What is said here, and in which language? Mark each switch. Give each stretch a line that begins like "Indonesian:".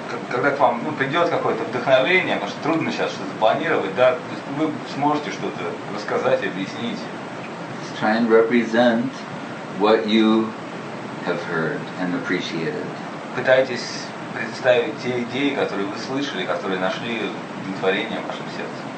Russian: Когда к вам придет какое-то вдохновение, может трудно сейчас что-то запланировать, да, вы сможете что-то рассказать, объяснить.
English: Try and represent what you have heard and appreciated.
Russian: Пытайтесь представить те идеи, которые вы слышали, которые нашли удовлетворение в вашем сердце.